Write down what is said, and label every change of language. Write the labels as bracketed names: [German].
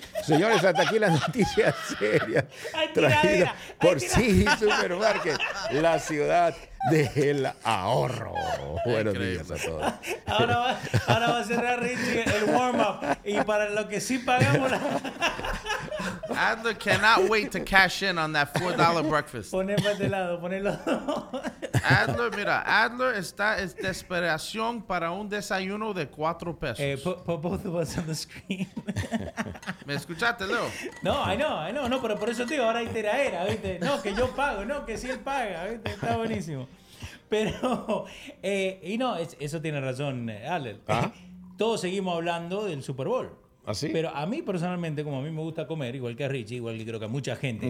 [Spanish] Señores, hasta aquí la noticia seria traída por City Supermarket, la ciudad del ahorro. Buenos días a todos. Ahora va a cerrar Richie el warm-up y para lo que sí pagamos... [English] Adler cannot wait to cash in on that $4 breakfast. [Spanish] Ponerlo de lado, ponerlo. Adler, mira, Adler está en desesperación para un desayuno de $4. [English] Hey, put both of us on the screen. [Spanish] ¿Me escuchaste, Leo? [English] No, I know, [Spanish] no, pero por eso te digo, ahora hay tiraera, ¿viste? No, que yo pago, no, que sí él paga, ¿viste? Está buenísimo. Pero, eso tiene razón, Adler. ¿Ah? Todos seguimos hablando del Super Bowl. ¿Ah, sí? Pero a mí personalmente, como a mí me gusta comer, igual que a Richie, igual que creo que a mucha gente,